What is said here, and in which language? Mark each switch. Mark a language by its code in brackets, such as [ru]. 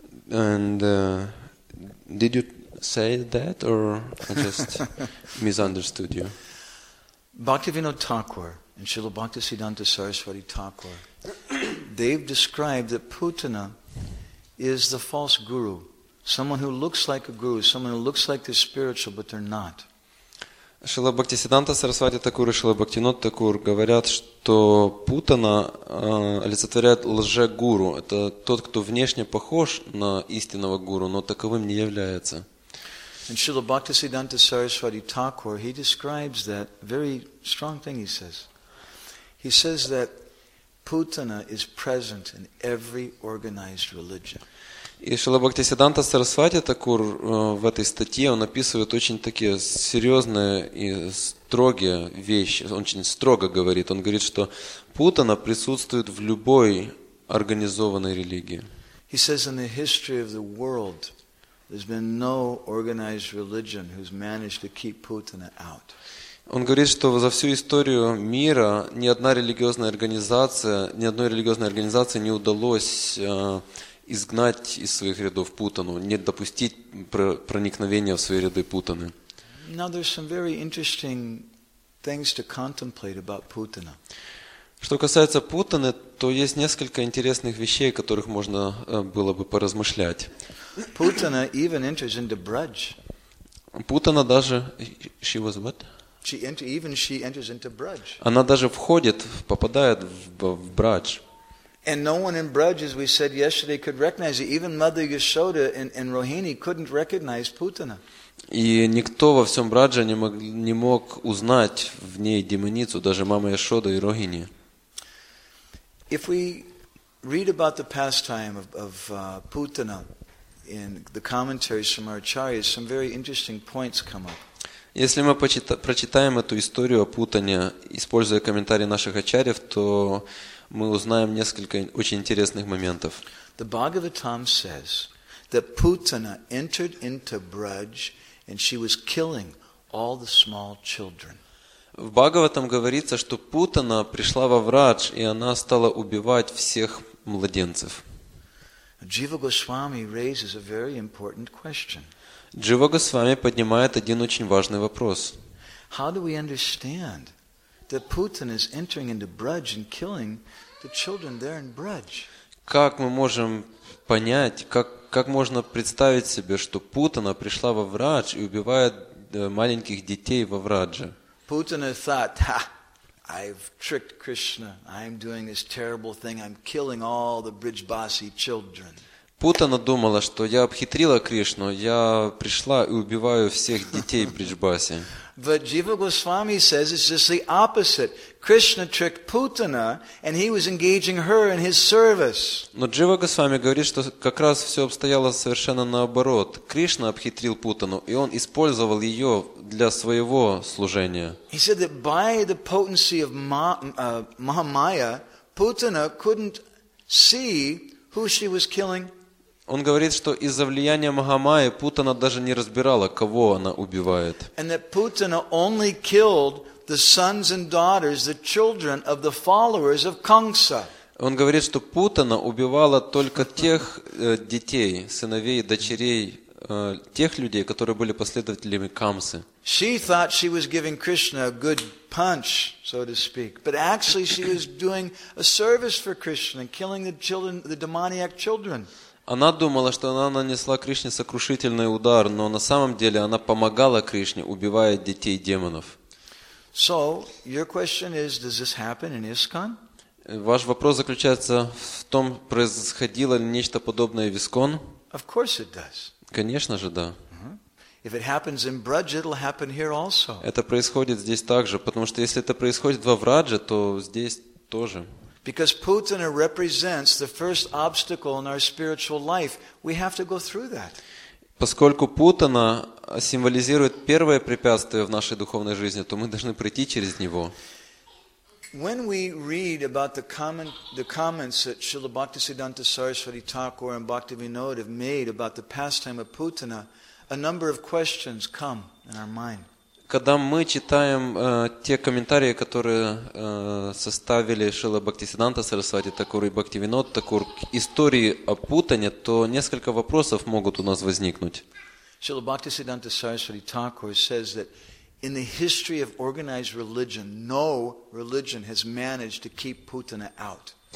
[en] And did you say that, or I just misunderstood you? Bhaktivinoda Thakur and Srila Bhaktisiddhanta Saraswati Thakur, they've described that Putana is the false guru, someone who looks like a guru, someone who looks like they're spiritual, but they're not. [ru] Шрила Бхактисиддханта Сарасвати Такур и Шрила Бхактинод Такур говорят, что Путана олицетворяет лже-гуру. Это тот, кто внешне похож на истинного гуру, но таковым не является. [en] And Шрила Бхактисиддханта Сарасвати Такур, he describes that very strong thing he says. He says that Путана is present in every organized religion. [ru] И Шрила Бхактисиддханта Сарасвати Такур в этой статье он описывает очень такие серьезные и строгие вещи. Он очень строго говорит. Он говорит, что Путана присутствует в любой организованной религии. [en] He says in the history of the world there's been no organized religion who's managed to keep Putana out. [ru] Он говорит, что за всю историю мира ни одна религиозная организация, ни одной религиозной организации не удалось изгнать из своих рядов Путану, не допустить проникновения в свои ряды Путаны. [en] Now there's some very interesting things to contemplate about Putana. [ru] Что касается Путаны, то есть несколько интересных вещей, о которых можно было бы поразмышлять. [en] Putana even enters into Braj. [ru] Путана даже... [en] She was what? She enters into Braj. [ru] Она даже входит, попадает в Брадж. [en] And no one in Braj, as we said yesterday, could recognize it. Even Mother Yashoda and Rohini couldn't recognize Putana. [ru] И никто во всем Брадже не мог узнать в ней демоницу, даже мама Яшода и Рохини. [en] If we read about the pastime of Putana in the commentaries from our acharyas, some very interesting points come up. [ru] Если мы прочитаем эту историю о Путане, используя комментарии наших ачарьев, то мы узнаем несколько очень интересных моментов. [en] The Bhagavatam says that Putana entered into Braj and she was killing all the small children. [ru] В Бхагаватам говорится, что Путана пришла во Врадж, и она стала убивать всех младенцев. [en] Jiva Goswami raises a very important question. [ru] Джива Госвами поднимает один очень важный вопрос. [en] How do we understand that Putin is entering into Braj and killing the children there in Braj? [ru] Как мы можем понять, как можно представить себе, что Путана пришла во Врадж и убивает маленьких детей во Врадже? [en] Putana thought, I've tricked Krishna. I'm doing this terrible thing. I'm killing all the Brijbasi children. [ru] Путана думала, что я обхитрила Кришну. Я пришла и убиваю всех детей Брижбаси. [en] But Jiva Goswami says it's just the opposite. Krishna tricked Putana, and he was engaging her in his service. [ru] Но Джива Госвами говорит, что как раз все обстояло совершенно наоборот. Кришна обхитрил Путану, и он использовал ее для своего служения. [en] He said that by the potency of Mahamaya, Putana couldn't see who she was killing. [ru] Он говорит, что из-за влияния Махамаи Путана даже не разбирала, кого она убивает. [en] And that Putana only killed the sons and daughters, the children of the followers of Kamsa. [ru] Он говорит, что Путана убивала только тех детей, сыновей и дочерей тех людей, которые были последователями Камсы. [en] She thought she was giving Krishna a good punch, so to speak, but actually she was doing a service for Krishna, killing the children, the demoniac children. [ru] Она думала, что она нанесла Кришне сокрушительный удар, но на самом деле она помогала Кришне, убивая детей демонов. [en] So, your question is, does this happen in ISKCON? [ru] Ваш вопрос заключается в том, происходило ли нечто подобное в ИСККОН? [en] Of course it does. [ru] Конечно же, да. [en] If it happens in Braj, it'll happen here also. [ru] Это происходит здесь также, потому что если это происходит во Врадже, то здесь тоже. [en] Because Putana represents the first obstacle in our spiritual life, we have to go through that. [ru] Поскольку Путана символизирует первое препятствие в нашей духовной жизни, то мы должны пройти через него. [en] When we read about the comments that Srila Bhaktisiddhanta Saraswati Thakur and Bhaktivinoda have made about the pastime of Putana, a number of questions come in our mind. [ru] Когда мы читаем те комментарии, которые составили Шрила Бхактисиддханта Сарасвати Такур и Бхактивинод Такур к истории о Путане, то несколько вопросов могут у нас возникнуть. [en] Шрила Бхактисиддханта Сарасвати Такур says that in the history of organized religion, no religion has managed to keep Putana out.